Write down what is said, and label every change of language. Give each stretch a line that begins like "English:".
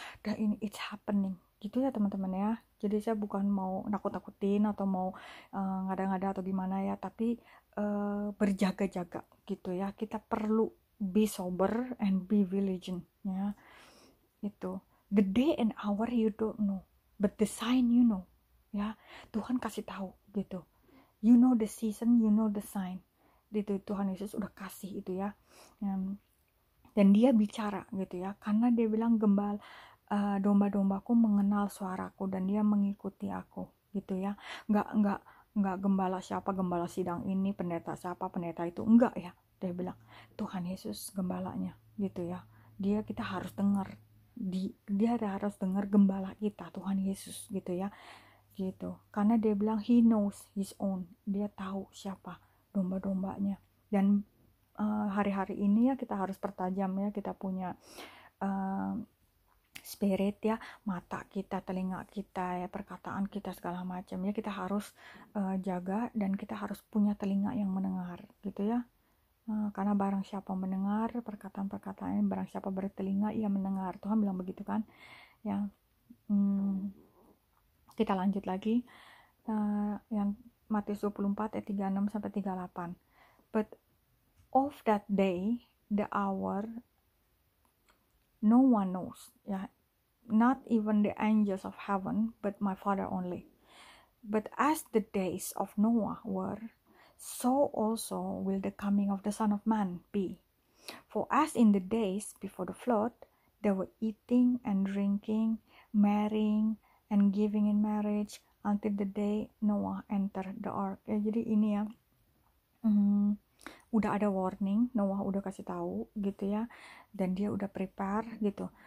Indonesian: Dan ini
English: it's happening
Indonesian: gitu ya teman-teman ya. Jadi saya bukan mau nakut-nakutin atau mau ngada-ngada atau gimana ya, tapi berjaga-jaga gitu ya. Kita perlu
English: be sober and be vigilant
Indonesian: ya.
English: Itu the day and hour you don't know, but the sign you know ya.
Indonesian: Tuhan kasih tahu gitu.
English: You know the season, you know the sign.
Indonesian: Itu Tuhan Yesus udah kasih itu ya, dan dia bicara gitu ya, karena dia bilang gembala domba-dombaku mengenal suaraku dan dia mengikuti aku gitu ya. Nggak gembala siapa, gembala sidang ini, pendeta siapa, pendeta itu, enggak ya. Dia bilang Tuhan Yesus gembalanya gitu ya. Dia, kita harus dengar di, dia harus dengar gembala kita Tuhan Yesus gitu ya. Gitu, karena dia bilang
English: he knows his own,
Indonesian: dia tahu siapa domba-dombanya. Dan hari-hari ini ya, kita harus pertajam ya, kita punya spirit ya, mata kita, telinga kita ya, perkataan kita segala macam ya, kita harus jaga, dan kita harus punya telinga yang mendengar gitu ya. Karena barang siapa mendengar perkataan-perkataan, barang siapa bertelinga ia mendengar, Tuhan bilang begitu kan ya. Kita lanjut lagi yang Matius 24 ayat 36 sampai 38.
English: But of that day, the hour, no one knows. Yeah. Not even the angels of heaven, but my Father only. But as the days of Noah were, so also will the coming of the Son of Man be. For as in the days before the flood, they were eating and drinking, marrying and giving in marriage, until the day Noah enter the ark ya.
Indonesian: Jadi ini ya, udah ada warning, Noah udah kasih tahu gitu ya, dan dia udah prepare gitu.